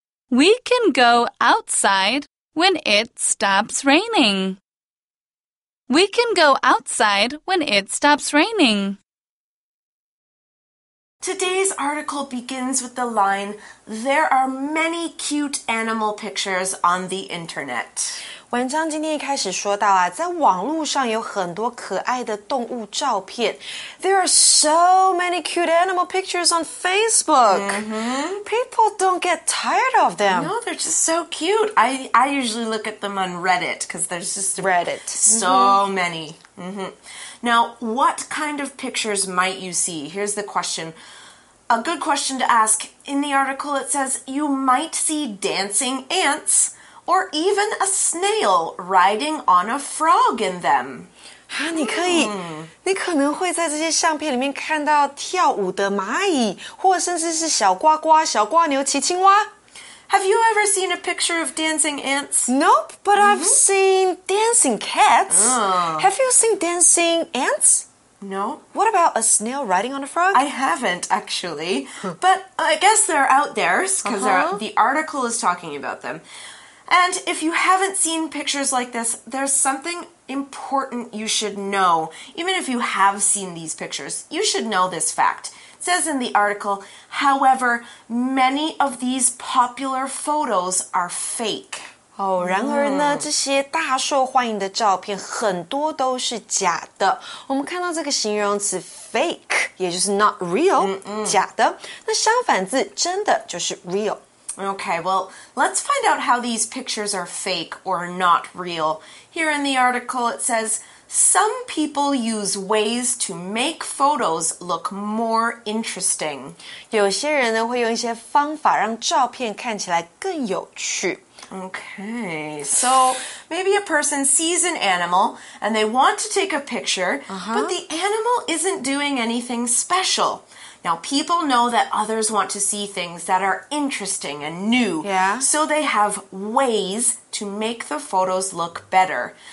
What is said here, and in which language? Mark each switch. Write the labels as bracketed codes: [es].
[en] We can go outside when it stops raining. We can go outside when it stops raining. Today's article begins with the line, "There are many cute animal pictures on the internet." [zh] 文章今天一开始说到啊，在网络上有很多可爱的动物照片。 [en] There are so many cute animal pictures on Facebook.、 Mm-hmm. People don't get tired of them. No, they're just so cute. I usually look at them on Reddit because there's just Reddit. So、mm-hmm. many. Mm-hmm. Now, what kind of pictures might you see? Here's the question. A good question to ask. In the article, it says you might see dancing ants or even a snail riding on a frog in them. [zh] 啊，你可以，你可能会在这些相片里面看到跳舞的蚂蚁，或甚至是小呱呱、小瓜牛、骑青蛙。 [en] Have you ever seen a picture of dancing ants? Nope, but、mm-hmm. I've seen dancing cats.、 Oh. Have you seen dancing ants? No. What about a snail riding on a frog? I haven't, actually. But I guess they're out there, because、uh-huh. the article is talking about them. And if you haven't seen pictures like this, there's something important you should know. Even if you have seen these pictures, you should know this fact. It says in the article, however, many of these popular photos are fake. [zh] 哦，然而呢、嗯、这些大受欢迎的照片很多都是假的。我们看到这个形容词 fake, 也就是 [en] not real, [zh] 假的。那相反字真的就是 real. [en] Okay, well, let's find out how these pictures are fake or not real. Here in the article it says, some people use ways to make photos look more interesting. [zh] 有些人呢会用一些方法让照片看起来更有趣。 [en] Okay, so maybe a person sees an animal and they want to take a picture,、 uh-huh. but the animal isn't doing anything special. Now, people know that others want to see things that are interesting and new. Yeah. So they have ways to make the photos look better.